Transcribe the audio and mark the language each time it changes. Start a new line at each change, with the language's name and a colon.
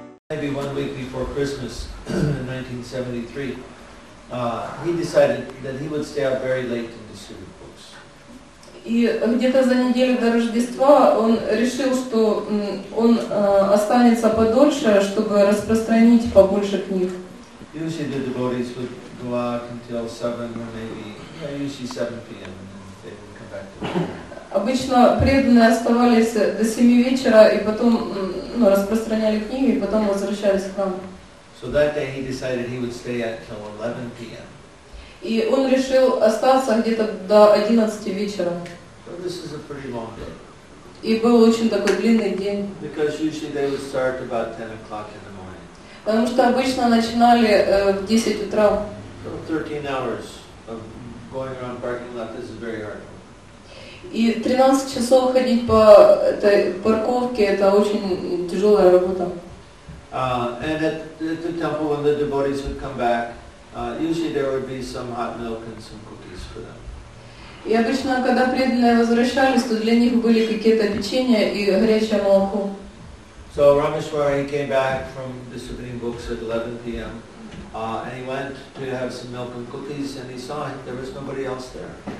English: Maybe 1 week before Christmas in 1973, he decided that he would stay out very late to distribute books.
Russian: И где-то за неделю до Рождества он решил, что он останется подольше, чтобы распространить побольше книг.
English: Usually the devotees would go out until 7 or maybe, usually 7 p.m. and they would come back to work.
Russian: Обычно преданные оставались до 7 вечера и потом распространяли книги и потом возвращались к нам.
English: So that day he decided he would stay out till 11 p.m.
Russian: И он решил остаться где-то до 11 вечера.
English: So this is a pretty long day.
Russian: И был очень такой длинный день.
English: Because usually they would start about 10 o'clock in the morning.
Russian: Потому что обычно начинали в 10 утра.
English: So 13 hours of going around parking lot, this is very hard.
Russian: И 13 часов ходить по этой парковке, это очень тяжелая работа.
English: And at the temple when the devotees would come back, usually there would be some hot milk and some cookies for them.
Russian: И обычно, когда преданные возвращались, то для них были какие-то печенья и горячее молоко.
English: So Rameshwari came back from distributing books at 11 p.m. And he went to have some milk and cookies, and he saw it, there was nobody else there.